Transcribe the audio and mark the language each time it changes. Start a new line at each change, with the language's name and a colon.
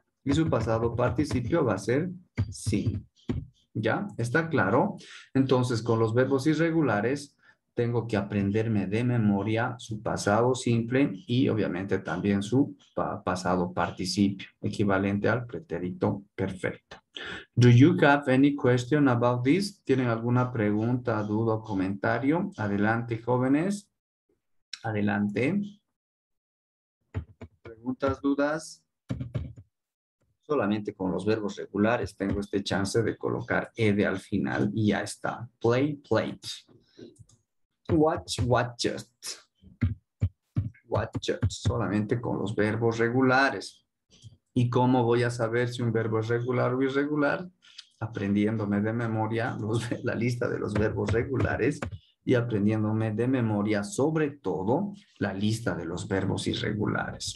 Spanish: Y su pasado participio va a ser si. ¿Ya? ¿Está claro? Entonces, con los verbos irregulares tengo que aprenderme de memoria su pasado simple y obviamente también su pasado participio, equivalente al pretérito perfecto.
English: Do you have any question about this?
Spanish: ¿Tienen alguna pregunta, duda o comentario? Adelante, jóvenes. Adelante. ¿Preguntas, dudas? Solamente con los verbos regulares tengo este chance de colocar ed al final y ya está.
English: Play, played. Watch, watched.
Spanish: watched, solamente con los verbos regulares. ¿Y cómo voy a saber si un verbo es regular o irregular? Aprendiéndome de memoria la lista de los verbos regulares y aprendiéndome de memoria, sobre todo, la lista de los verbos irregulares.